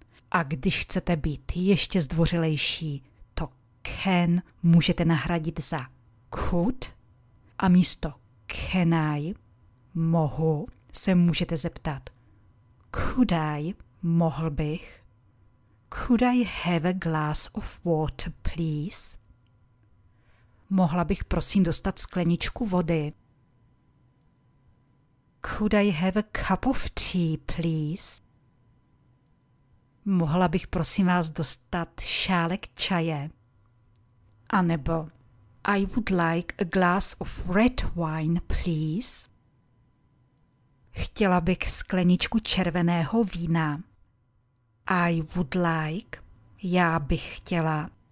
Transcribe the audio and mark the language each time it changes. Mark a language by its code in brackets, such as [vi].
[cs] A když chcete být ještě zdvořilejší, to can můžete nahradit za could a místo can I, mohu, se můžete zeptat could I, mohl bych, [en] could I have a glass of water, please? [cs] Mohla bych prosím dostat skleničku vody? [en] Could I have a cup of tea, please? [cs] Mohla bych prosím vás dostat šálek čaje? A nebo [en] I would like a glass of red wine, please. [cs] Chtěla bych skleničku červeného vína. [en] I would like, [cs] já bych chtěla.